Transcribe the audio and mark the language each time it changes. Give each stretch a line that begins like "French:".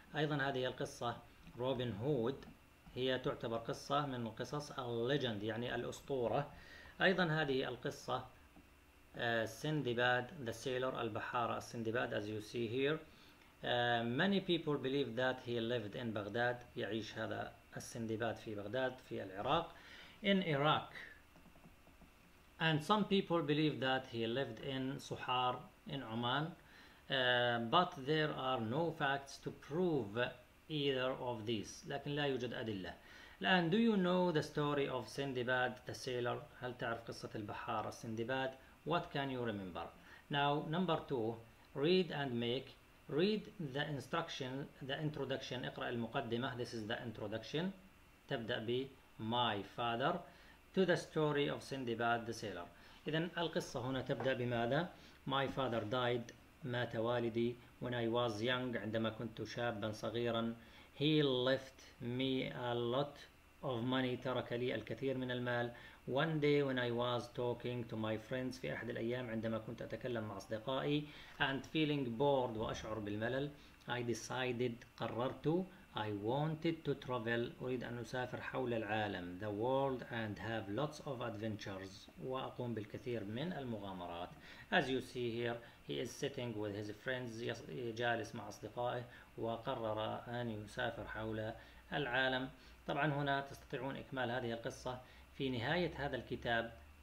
Arabic: أيضا هذه القصة Robin Hood هي تعتبر قصة من قصص
English: a legend
Arabic: يعني الأسطورة. أيضا هذه القصة سندباد
English: the sailor
Arabic: البحارة السندباد
English: as you see here. Many people believe that he lived in Baghdad.
Arabic: يعيش هذا السندباد في بغداد في العراق.
English: In Iraq. And some people believe that he lived in Suhar in Oman. But there are no facts to prove either of these.
Arabic: لكن لا يوجد أدلة. الآن
English: do you know the story of Sindbad the sailor?
Arabic: هل تعرف قصة البحارة سندباد؟
English: What can you remember? Now number two, read and make. Read the instruction, the introduction.
Arabic: اقرأ المقدمة.
English: This is the introduction.
Arabic: تبدأ ب
English: my father to the story of Sindbad the sailor.
Arabic: إذن القصة هنا تبدأ بماذا؟
English: My father died.
Arabic: مات والدي.
English: When I was young,
Arabic: عندما كنت شابا صغيرا.
English: He left me a lot of money.
Arabic: ترك لي الكثير من المال.
English: One day when I was talking to my friends,
Arabic: في أحد الأيام عندما كنت أتكلم مع أصدقائي.
English: And feeling bored,
Arabic: وأشعر بالملل.
English: I decided,
Arabic: قررت.
English: I wanted to travel.
Arabic: أريد أن أسافر حول العالم.
English: The world and have lots of adventures.
Arabic: وأقوم بالكثير من المغامرات.
English: As you see here, he is sitting with his friends.
Arabic: جالس مع أصدقائه وقرر أن يسافر حول العالم. طبعا هنا تستطيعون إكمال هذه القصة في نهاية هذا الكتاب.